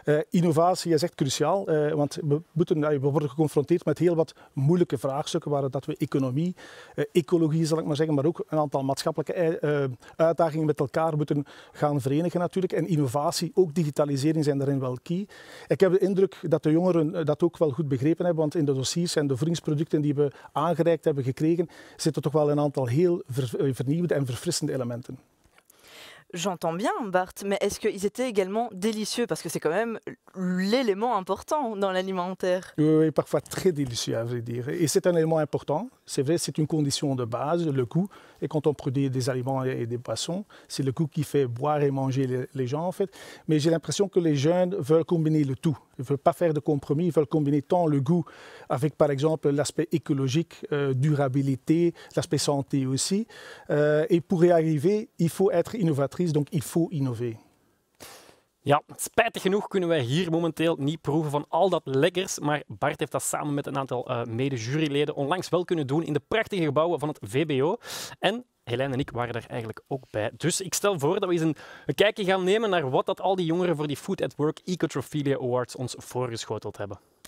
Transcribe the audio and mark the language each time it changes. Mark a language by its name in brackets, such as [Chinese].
[Dutch] Innovatie is echt cruciaal, want we worden geconfronteerd met heel wat moeilijke vraagstukken waar dat we economie, ecologie zal ik maar zeggen, maar ook een aantal maatschappelijke uitdagingen met elkaar moeten gaan verenigen natuurlijk. En innovatie, ook digitalisering zijn daarin wel key. Ik heb de indruk dat de jongeren dat ook wel goed begrepen hebben, want in de dossiers zijn de producten die we aangereikt hebben gekregen, zitten toch wel een aantal heel vernieuwde en verfrissende elementen. [French] J'entends bien, Bart, mais est-ce qu'ils étaient également délicieux? Parce que c'est quand même l'élément important dans l'alimentaire. Oui, parfois très délicieux, à vrai dire. Et c'est un élément important. C'est vrai, c'est une condition de base, le goût. Et quand on produit des aliments et des boissons, c'est le goût qui fait boire et manger les gens, en fait. Mais j'ai l'impression que les jeunes veulent combiner le tout. Ils ne veulent pas faire de compromis. Ils veulent combiner tant le goût avec, par exemple, l'aspect écologique, durabilité, l'aspect santé aussi. Et pour y arriver, il faut être innovatrice, donc il faut innover. [Dutch] Ja, spijtig genoeg kunnen wij hier momenteel niet proeven van al dat lekkers, maar Bart heeft dat samen met een aantal mede-juryleden onlangs wel kunnen doen in de prachtige gebouwen van het VBO. En Helene en ik waren daar eigenlijk ook bij. Dus ik stel voor dat we eens een kijkje gaan nemen naar wat dat al die jongeren voor die Food at Work Ecotrophilia Awards ons voorgeschoteld hebben.